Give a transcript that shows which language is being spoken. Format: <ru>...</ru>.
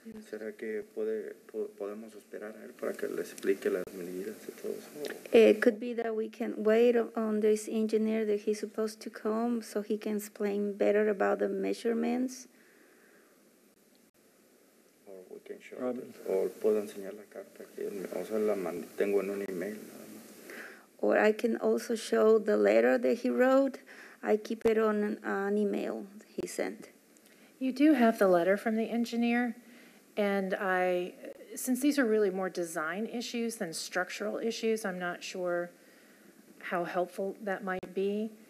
<es>¿Será que podemos esperar a él para que le explique las medidas de todo eso?</es> <en>It could be that we can wait on this engineer that he's supposed to come so he can explain better about the measurements. Or we can show</en> <es>o puedo enseñar la carta que o sea, la tengo en un email.</es> <en>Or I can also show the letter that he wrote. I keep it on an email he sent. You do have the letter from the engineer. And since these are really more design issues than structural issues, I'm not sure how helpful that might be.</en>